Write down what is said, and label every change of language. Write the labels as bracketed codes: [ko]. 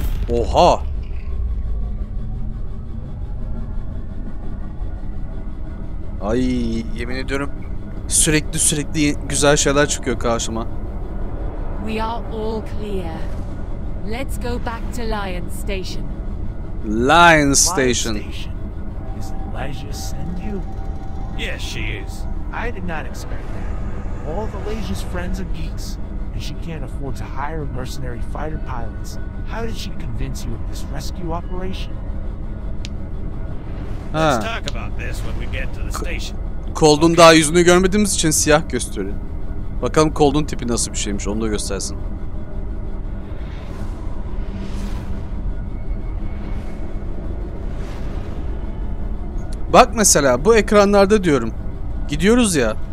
[tr] Oha. Ay, yemin ediyorum. Sürekli güzel şeyler çıkıyor karşıma. [en] We are all clear. Let's go back to Lion Station. Lion Station. Is Leisure send you? Yes, she is. I did not expect that. All the Leisure's friends are geeks, and she can't afford to hire mercenary fighter pilots. How did she convince you of this rescue operation? Ha. Let's talk about this when we get to the station. [tr] Cold'un daha yüzünü görmediğimiz için siyah gösteriyor. Bakalım Cold'un tipi nasıl bir şeymiş, onu da göstersin. Bak mesela bu ekranlarda diyorum. Gidiyoruz ya.